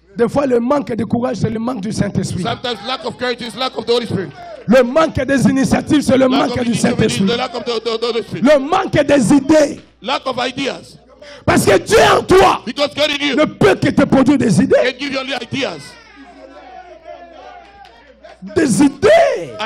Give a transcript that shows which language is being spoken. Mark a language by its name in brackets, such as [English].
[French] Des fois, le manque de courage, c'est le manque du Saint-Esprit. [English] Sometimes lack of courage is lack of the Holy Spirit. [French] Le manque des initiatives, c'est le manque du Saint-Esprit. [English] The lack of the Holy Spirit. [French] Le manque des idées. [English] Lack of ideas. [French] Parce que Dieu en toi [English] you, [French] ne peut que te produire des idées. [English] Can give you only ideas. [French] Des idées.